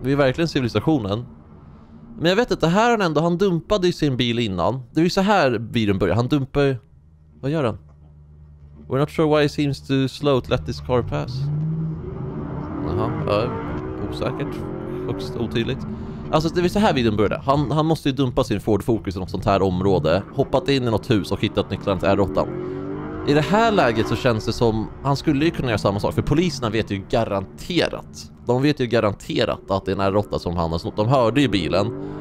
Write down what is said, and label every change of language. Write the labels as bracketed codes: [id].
[sv] Det är verkligen civilisationen. Men jag vet att det här är ändå... Han dumpade ju sin bil innan. Det är ju så här bilen börjar. Han dumpar ju... Vad gör han? [en] We're not sure why he seems to slow to let this car pass. [sv] Jaha, osäkert. Högst otydligt. Alltså det är så här videon började. Han måste ju dumpa sin Ford Focus i något sånt här område. Hoppat in i något hus och hittat nycklarna till R8. I det här läget så känns det som han skulle ju kunna göra samma sak. För poliserna vet ju garanterat. De vet ju garanterat att det är en R8 som han har snott. De hörde ju bilen.